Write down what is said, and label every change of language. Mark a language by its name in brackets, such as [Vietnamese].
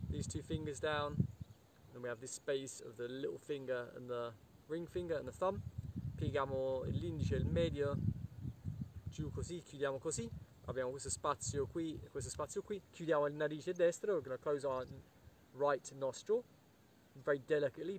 [English] Two fingers down, and we have this space of the little finger and the ring finger and the thumb. [Italian] Piegiamo l'indice e il medio giù così, chiudiamo così. Abbiamo questo spazio qui, chiudiamo il narice destro. [English] We're going to close our right nostril very delicately.